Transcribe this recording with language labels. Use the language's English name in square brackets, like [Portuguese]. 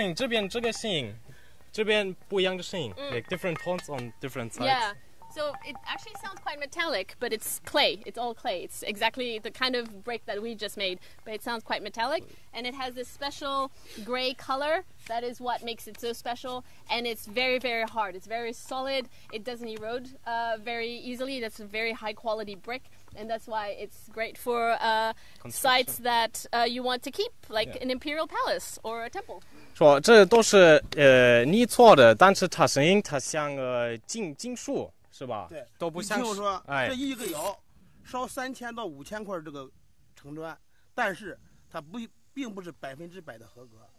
[Chinese] 对，用石头它会断，碎了。但有能听到吗？一个砖有好几个音。对，很多声音，这边不一样的声音。 [English] Different tones on different sides. Yeah, so it actually sounds quite metallic, but it's clay. It's all clay. It's exactly the kind of brick that we just made, but it sounds quite metallic. And it has this special gray color. That is what makes it so special. And it's very, very hard. It's very solid. It doesn't erode very easily. That's a very high quality brick. And that's why it's great for sites that you want to keep, like an imperial palace or a temple. [Chinese] 说这都是你做的，但是它声音它像金属，是吧？对，都不像。你听我说，这一个窑烧3000到5000块这个城砖，但是它不并不是100%的合格，